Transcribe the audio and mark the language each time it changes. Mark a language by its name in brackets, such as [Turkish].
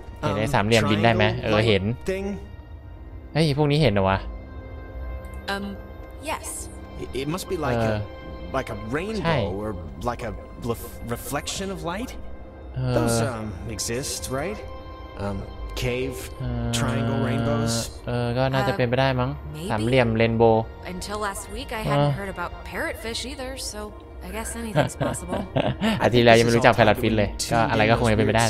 [Thai] เห็นไอ้สามเหลี่ยมบินได้ไหมเห็นเฮ้ยพวกนี้เห็นเหรอวะ [English] yes It must be like a rainbow or like a reflection of light. Those exist, right? Cave, triangle rainbows. [Thai] ก็น่าจะเป็นไปได้มั้งสามเหลี่ยมเรนโบว์ [English] Until last week I hadn't heard about parrotfish either, so I guess anything's possible. [Thai] อาทิตย์แล้วยังไม่รู้จักแพลตฟินเลยก็อะไรก็คงจะเป็นไปได้